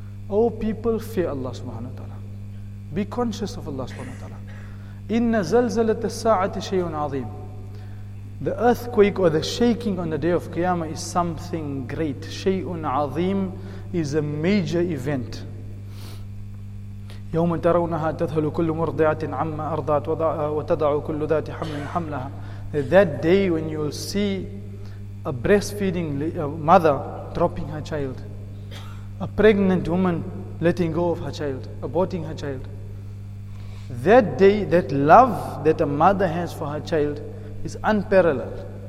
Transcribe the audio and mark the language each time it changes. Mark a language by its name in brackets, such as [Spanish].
[English] O people, fear Allah subhanahu wa ta'ala. Be conscious of Allah subhanahu wa ta'ala. [Arabic] Inna zalzalat as-sa'ati shay'un 'azeem. [English] The earthquake or the shaking on the day of Qiyamah is something great. Shay'un 'azeem is a major event. [Arabic] يوم ترونها تذهل كل مرضعة عما أرضعت وتضع كل ذات حمل حملها. [English] That day when you will see a breastfeeding mother dropping her child, a pregnant woman letting go of her child, aborting her child. That day, that love that a mother has for her child is unparalleled.